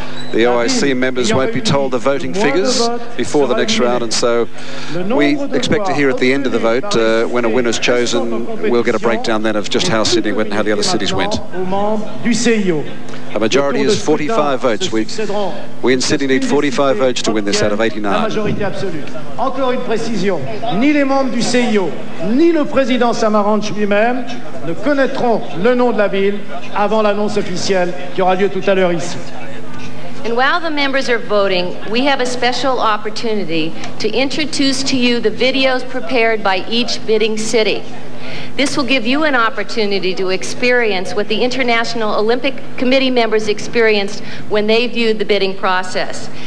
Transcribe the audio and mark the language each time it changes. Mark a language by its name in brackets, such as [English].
[English] The OIC members won't be told the voting figures before the next round, and so we expect to hear at the end of the vote when a winner's chosen. We'll get a breakdown then of just how Sydney went and how the other cities went. A majority is 45 votes. We in Sydney need 45 votes to win this out of 89. [French] Encore une précision. Ni les membres du CIO, ni le président Samaranch lui-même ne connaîtront le nom de la ville avant l'annonce officielle qui aura lieu tout à l'heure ici. [English] And while the members are voting, we have a special opportunity to introduce to you the videos prepared by each bidding city. This will give you an opportunity to experience what the International Olympic Committee members experienced when they viewed the bidding process.